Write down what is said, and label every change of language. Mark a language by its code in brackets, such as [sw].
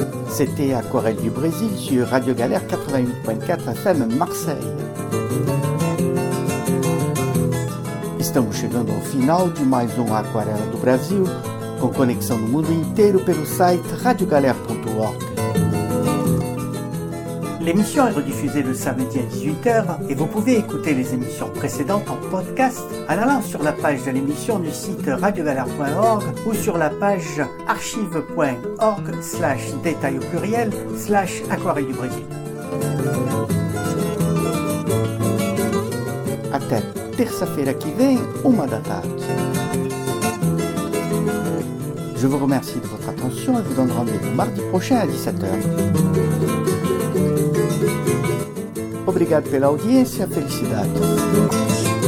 [fr] C'était Aquarelle du Brésil sur Radio Galère 88.4 FM Marseille. [pt] Estamos chegando ao final de mais um Aquarela do Brasil, com conexão no mundo inteiro pelo site radiogalere.org. [fr] L'émission est rediffusée le samedi à 18h et vous pouvez écouter les émissions précédentes en podcast en allant sur la page de l'émission du site radiogalère.org ou sur la page archive.org/détail au pluriel/aquarelle du Brésil. [pt] Até terça-feira que vem, 1 da tarde. [fr] Je vous remercie de votre attention et vous donne rendez-vous mardi prochain à 17h. [pt] Obrigado pela audiência e felicidade.